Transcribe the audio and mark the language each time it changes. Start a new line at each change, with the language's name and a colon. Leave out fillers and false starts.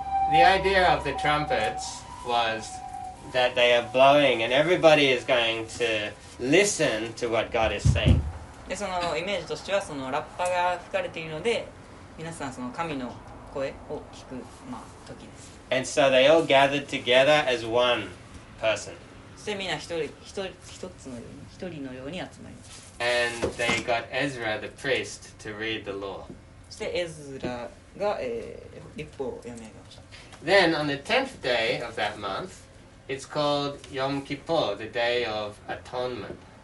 English: The idea of the trumpets was that they are blowing and everybody is going to listen to what God is saying.
Japanese: で、そのイメージとしては、そのラッパが吹かれているので、皆さんその神の声を聞く、まあ、時です。
English: And so they all gathered together as one person.
Japanese: そしてみんな一人のように集まります。
English: And they got Ezra the priest to read the law.
Japanese: そしてエズラが、律法を読み上げました。
English: Then on the 10th day of that month, it's called Yom Kippur, the day of atonement.